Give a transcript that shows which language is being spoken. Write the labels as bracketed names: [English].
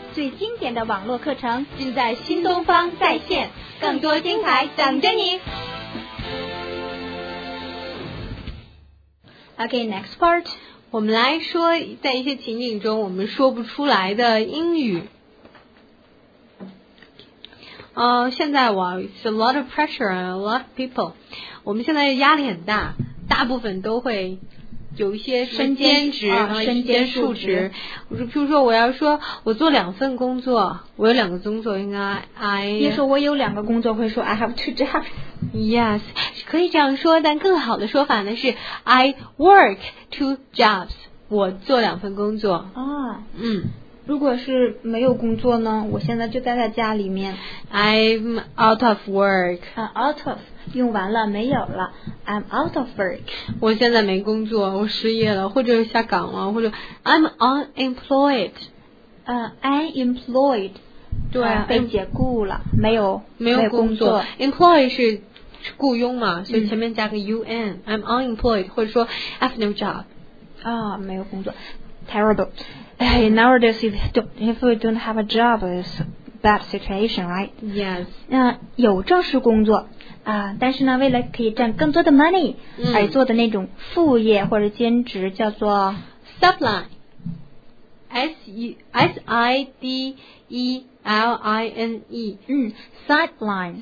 [Chinese] 最经典的网络课程，尽在新东方在线，更多精彩等着你。 [English] Okay, next part. [Chinese] 我们来说在一些情景中我们说不出来的英语。现在 [English] well, it's a lot of pressure on a lot of people. [Chinese] 我们现在压力很大，大部分都会有一些身兼职、身兼数职。比如说我要说我做两份工作，我有两个工作，应该 I 你说我有两个工作会说 [English] I have two jobs。 Yes, [Chinese] 可以这样说，但更好的说法呢是 [English] I work two jobs, [Chinese] 我做两份工作。如果是没有工作呢，我现在就待在家里面。 [English] I'm out of work. Out of [Chinese] 用完了，没有了。 [English] I'm out of work. [Chinese] 我现在没工作，我失业了，或者下岗了，或者 [English] I'm unemployed. Unemployed. [Chinese] 对，被解雇了，没有工作。 Employed 是雇佣嘛，所以前面加个 un. [English] I'm unemployed, [Chinese] 或者说 [English] I have no job. [Chinese] 没有工作。 [English] Terrible. Hey, nowadays, if we don't have a job, it's a bad situation, right? Yes. [Chinese] 有正式工作。但是呢，为了可以赚更多的 money 而做的那种副业或者兼职叫做 [English] subline, sideline,